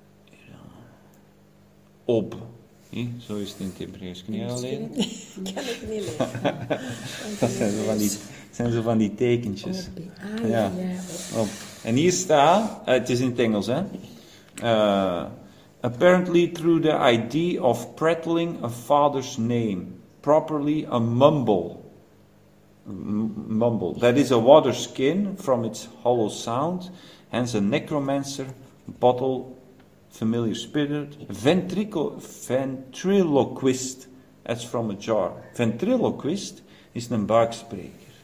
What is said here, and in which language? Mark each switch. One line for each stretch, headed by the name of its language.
Dutch: Ja. Op. Zo is het in het Hebreeuws. Kun je dat lezen? Ik kan het niet lezen. Dat zijn zo van die... zijn zo van die tekentjes. Ah, ja. Ja, op. En hier staat, het is in het Engels, hè.
English: Apparently through the idea of prattling a father's name, properly a mumble. Mumble. That is a water skin from its hollow sound, hence a necromancer, bottle, familiar spirit, ventriloquist, as from a jar.
Dutch: Ventriloquist is een buikspreker.